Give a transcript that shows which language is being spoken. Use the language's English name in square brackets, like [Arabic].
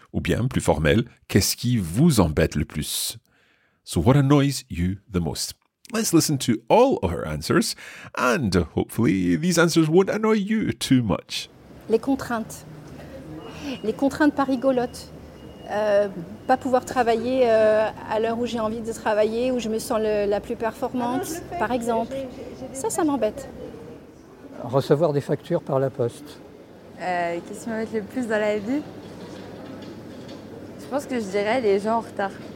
[French] Ou bien, plus formel, qu'est-ce qui vous embête le plus? [English] So what annoys you the most? Let's listen to all of her answers, and hopefully these answers won't annoy you too much. [French] Les contraintes. Les contraintes pas rigolotes. Pas pouvoir travailler à l'heure où j'ai envie de travailler, où je me sens la plus performante, par exemple. Ça m'embête. Recevoir des factures par la poste. Qu'est-ce qui m'embête le plus dans la vie? Je pense que je dirais les gens en retard.